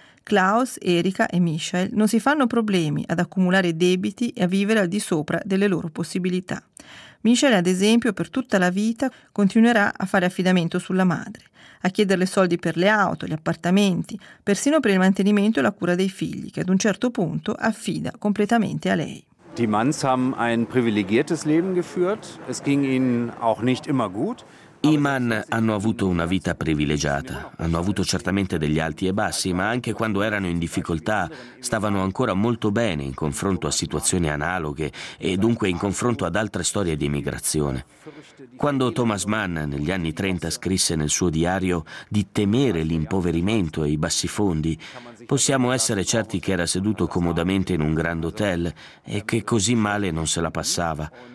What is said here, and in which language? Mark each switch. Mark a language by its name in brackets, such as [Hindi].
[Italian] Klaus, Erika e Michael non si fanno problemi ad accumulare debiti e a vivere al di sopra delle loro possibilità. Michael, ad esempio, per tutta la vita continuerà a fare affidamento sulla madre, a chiederle soldi per le auto, gli appartamenti, persino per il mantenimento e la cura dei figli, che ad un certo punto affida completamente a lei. [German] Die Manns haben ein privilegiertes Leben geführt. Es ging ihnen auch nicht immer gut. [Italian] I Mann hanno avuto una vita privilegiata, hanno avuto certamente degli alti e bassi, ma anche quando erano in difficoltà stavano ancora molto bene in confronto a situazioni analoghe e dunque in confronto ad altre storie di emigrazione. Quando Thomas Mann negli anni 30 scrisse nel suo diario di temere l'impoverimento e i bassi fondi, possiamo essere certi che era seduto comodamente in un grand hotel e che così male non se la passava.